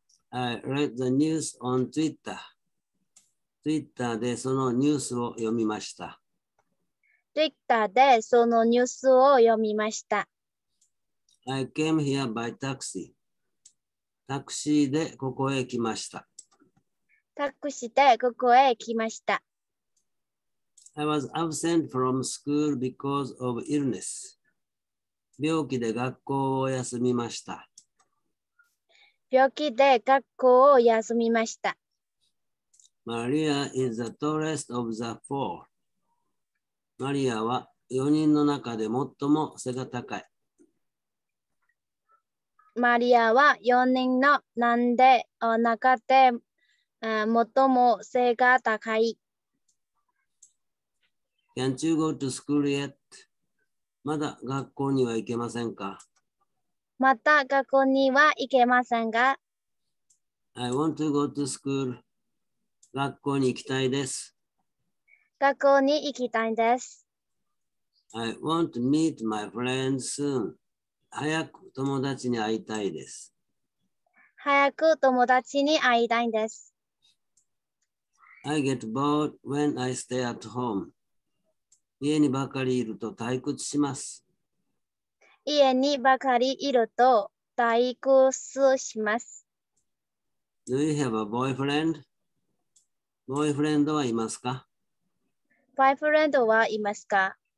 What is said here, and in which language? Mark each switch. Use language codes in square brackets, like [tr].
[en] I read the news on Twitter. Twitter [ja] でそのニュースを読みました。 Twitter でそのニュースを読みました。 [en] I came here by taxi. [ja] タクシーでここへ来ました。タクシーでここへ来ました。 [en] I was absent from school because of illness. [ja] 病気で学校を休みました。病気で学校を休みました。 [en] Maria is the tallest of the four. [ja] マリアは4人の中で最も背が高い。マリアは4人の中で最も背が高い。 [en] Can't you go to school yet? [ja] まだ学校には行けませんか？また学校には行けませんが。 [en] I want to go to school. [ja] 学校に行きたいです。学校に行きたいです。 [en] I want to meet my friends soon. [ja] 早く友達に会いたいです。早く友達に会いたいです。 [en] I get bored when I stay at home. [ja] 家にばかりいると退屈します。家にばかりいると退屈します。 [en] Do you have a boyfriend? Boyfriend [ja] はいますか？ Boyfriend はいますか？